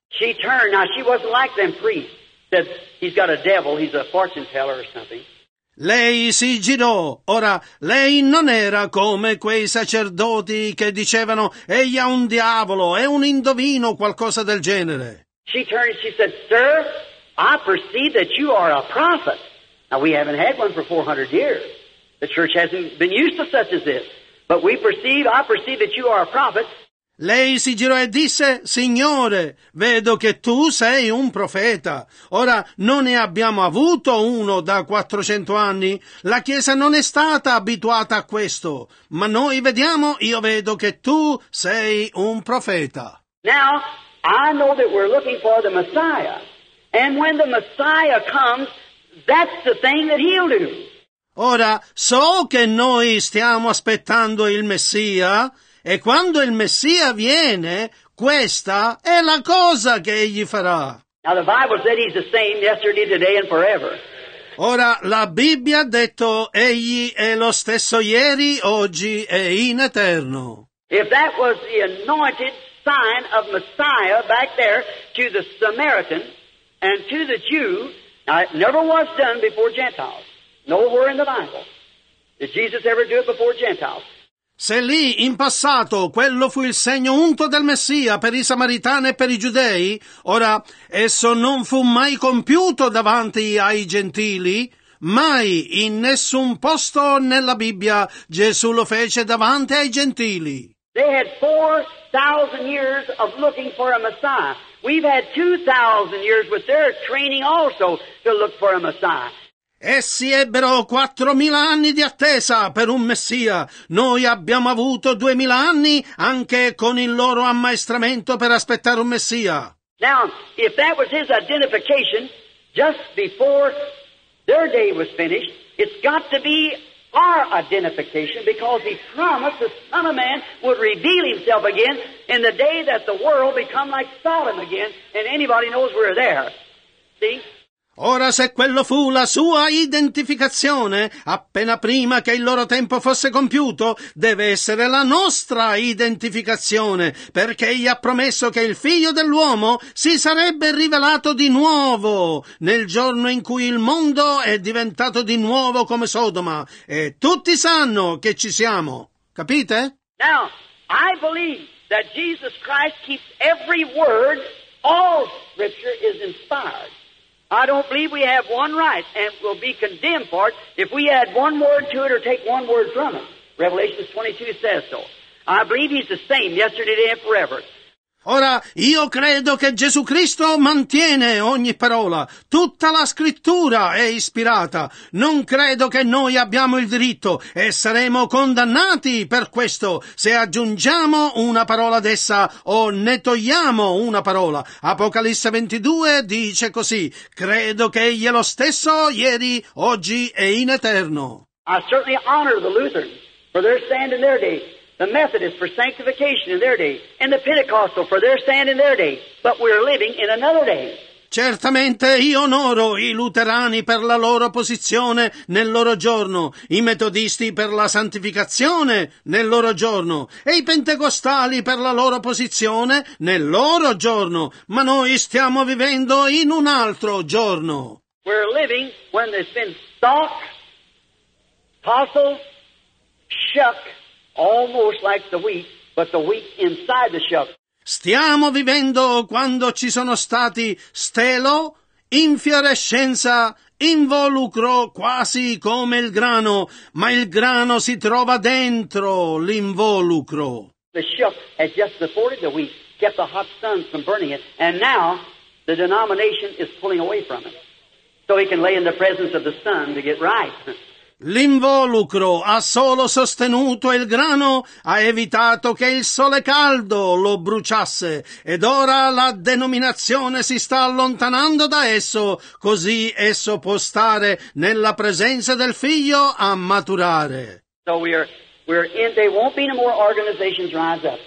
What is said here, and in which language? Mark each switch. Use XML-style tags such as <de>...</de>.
<en>She turned, now she wasn't like them priests, said, he's got a devil, he's a fortune teller or something.</en> <it>Lei si girò. Ora, lei non era come quei sacerdoti che dicevano «Egli ha un diavolo, è un indovino», qualcosa del genere.</it> <en>She turned, she said, "Sir, I perceive that you are a prophet." Now, we haven't had one for 400 years. The church hasn't been used to such as this. But I perceive that you are a prophet.</en> <it>Lei si girò e disse, Signore, vedo che tu sei un profeta. Ora, non ne abbiamo avuto uno da 400 anni. La Chiesa non è stata abituata a questo. Ma noi vediamo, io vedo che tu sei un profeta.</it> <en>Now, I know that we're looking for the Messiah. And when the Messiah comes, that's the thing that he'll do.</en> <it>Ora, so che noi stiamo aspettando il Messia, e quando il Messia viene, questa è la cosa che egli farà.</it> <en>Now the Bible said he's the same yesterday, today and forever.</en> <it>Ora, la Bibbia ha detto egli è lo stesso ieri, oggi e in eterno.</it> <en>If that was the anointed sign of Messiah back there to the Samaritan and to the Jew, now it never was done before Gentiles. Nowhere in the Bible did Jesus ever do it before Gentiles.</en> <it>Se lì, in passato, quello fu il segno unto del Messia per i Samaritani e per i Giudei, ora, esso non fu mai compiuto davanti ai Gentili, mai, in nessun posto nella Bibbia, Gesù lo fece davanti ai Gentili.</it> <en>They had 4,000 years of looking for a Messiah. We've had 2,000 years with their training also to look for a Messiah.</en> <it>Essi ebbero 4,000 anni di attesa per un Messia. Noi abbiamo avuto 2,000 anni anche con il loro ammaestramento per aspettare un Messia.</it> <en>Now, if that was his identification just before their day was finished, it's got to be our identification because he promised the Son of Man would reveal himself again in the day that the world become like Sodom again and anybody knows we're there. See?</en> <it>Ora, se quello fu la sua identificazione, appena prima che il loro tempo fosse compiuto, deve essere la nostra identificazione, perché egli ha promesso che il figlio dell'uomo si sarebbe rivelato di nuovo nel giorno in cui il mondo è diventato di nuovo come Sodoma, e tutti sanno che ci siamo. Capite?</it> <en>Now, I believe that Jesus Christ keeps every word, all scripture is inspired. I don't believe we have one right and will be condemned for it if we add one word to it or take one word from it. Revelation 22 says so. I believe he's the same yesterday, today and forever.</en> <it>Ora, io credo che Gesù Cristo mantiene ogni parola. Tutta la scrittura è ispirata. Non credo che noi abbiamo il diritto e saremo condannati per questo se aggiungiamo una parola ad essa o ne togliamo una parola. Apocalisse 22 dice così. Credo che egli è lo stesso ieri, oggi e in eterno.</it> <en>I certainly honor the Lutherans for their stand in their day. The Methodist for sanctification in their day, and the Pentecostal for their stand in their day, but we're living in another day.</en> <it>Certamente io onoro i luterani per la loro posizione nel loro giorno, i metodisti per la santificazione nel loro giorno, e i pentecostali per la loro posizione nel loro giorno, ma noi stiamo vivendo in un altro giorno.</it> <en>We're living when there's been stalk, tossle, shuck, almost like the wheat, but the wheat inside the shuck.</en> <it>Stiamo vivendo quando ci sono stati stelo, infiorescenza, involucro, quasi come il grano, ma il grano si trova dentro l'involucro.</it> <en>The shuck had just supported the wheat, kept the hot sun from burning it, and now the denomination is pulling away from it, so he can lay in the presence of the sun to get right.</en> <it>L'involucro ha solo sostenuto il grano, ha evitato che il sole caldo lo bruciasse, ed ora la denominazione si sta allontanando da esso, così esso può stare nella presenza del Figlio a maturare.</it> <en>So we're in, there won't be no more organizations rise up.</en>